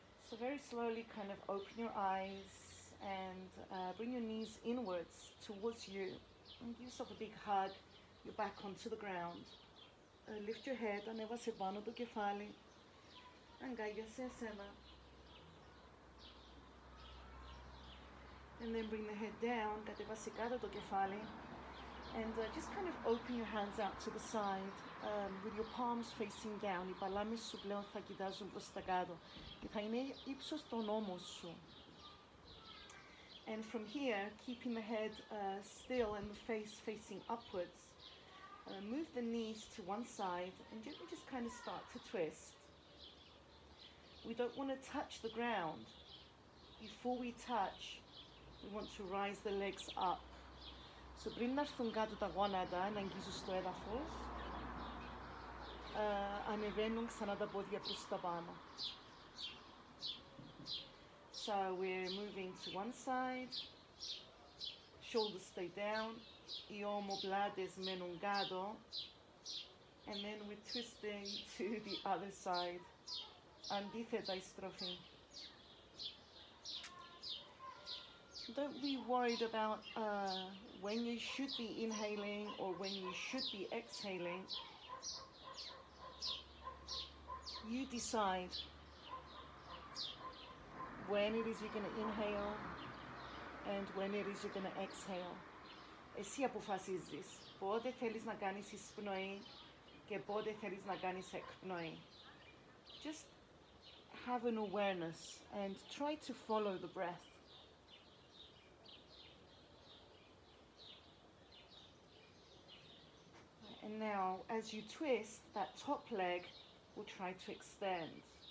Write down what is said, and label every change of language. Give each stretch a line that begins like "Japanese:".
English: So very slowly kind of open your eyes and bring your knees inwards towards you and give yourself a big hug, your back onto the ground. Lift your head,
Greek: ανέβασε πάνω το κεφάλι, αγκάλιασε εσένα.
English: And then bring the head down,
Greek: κατέβασε κάτω το κεφάλι,
English: And just kind of open your hands out to the side with your palms facing down.
Greek: Οι παλάμες σου πλέον θα κοιτάζουν προς τα κάτω και θα είναι ύψος των ώμων σου.
English: And from here, keeping the head still and the face facing upwards, move the knees to one side and gently just kind of start to twist. We don't want to touch the ground. Before we touch, we want to rise the legs up.
Greek: So πριν να έρθουν κάτω τα γόνατα, να αγγίζω στο έδαφος, ανεβαίνουν ξανά τα πόδια προς τα πάνω.
English: So we're moving to one side, shoulders stay down,
Greek: οι ομοπλάτες μένουν κάτω,
English: and then we're twisting to the other side,
Greek: αντίθετα η στροφή.
English: Don't be worried about when you should be inhaling or when you should be exhaling. You decide when it is you're going to inhale and when it is you're going to exhale.
Greek: Εσύ αποφασίζεις πότε θέλεις να κάνεις εισπνοή και πότε θέλεις να κάνεις εκπνοή.
English: Just have an awareness and try to follow the breath. And now, as you twist, that top leg will try to extend.